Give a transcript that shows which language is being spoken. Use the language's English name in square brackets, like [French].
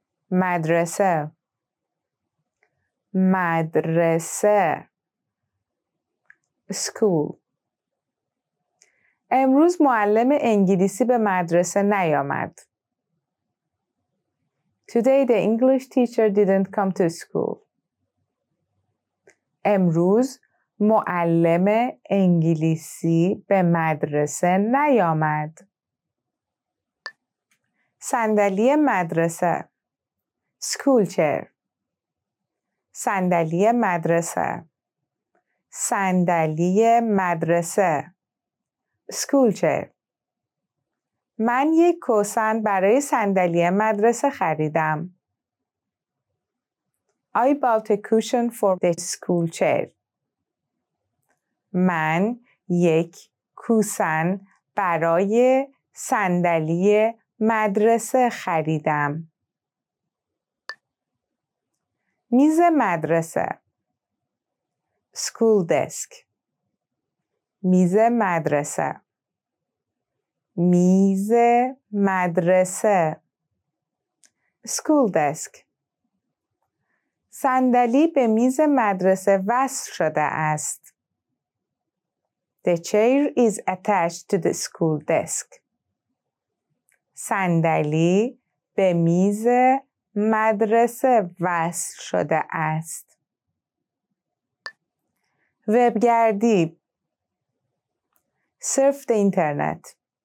[Persian] مدرسه. مدرسه. School. امروز معلم انگلیسی به مدرسه نیامد. [English] Today the English teacher didn't come to school. [Persian] امروز معلم انگلیسی به مدرسه نیامد. صندلی مدرسه. [English] School chair. [Persian] صندلی مدرسه. صندلی مدرسه. [English] School chair. [Persian] من یک کوسن برای صندلی مدرسه خریدم. [English] I bought a cushion for the school chair. [Persian] من یک کوسن برای صندلی مدرسه خریدم. میز مدرسه. [English] School desk. [Persian] میز مدرسه. میز مدرسه. [English] School desk. [Persian] صندلی به میز مدرسه وصل شده است. [English] The chair is attached to the school desk. [Persian] صندلی به میز مدرسه وصل شده است. [English] وبگردی. Surf the internet.